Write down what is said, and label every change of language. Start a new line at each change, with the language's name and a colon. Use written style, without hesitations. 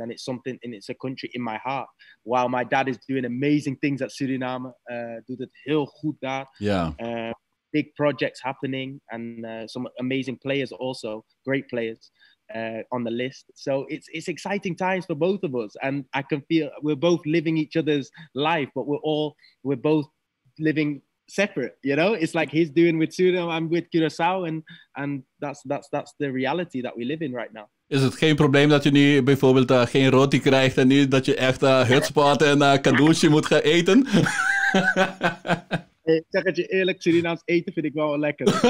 English: And it's something, and it's a country in my heart. While my dad is doing amazing things at Suriname,
Dutch: doet het heel goed daar.
English: Yeah. Big projects happening and some amazing players also, great players on the list. So it's exciting times for both of us. And I can feel we're both living each other's life, but we're both living separate, you know? It's like he's doing with Suriname, I'm with Curaçao, and that's the reality that we live in right now.
Dutch: Is het geen probleem dat je nu bijvoorbeeld geen roti krijgt en nu dat je echt hutspot en kadoosje moet gaan eten? Ik zeg het je eerlijk, Surinaams eten vind ik wel lekker.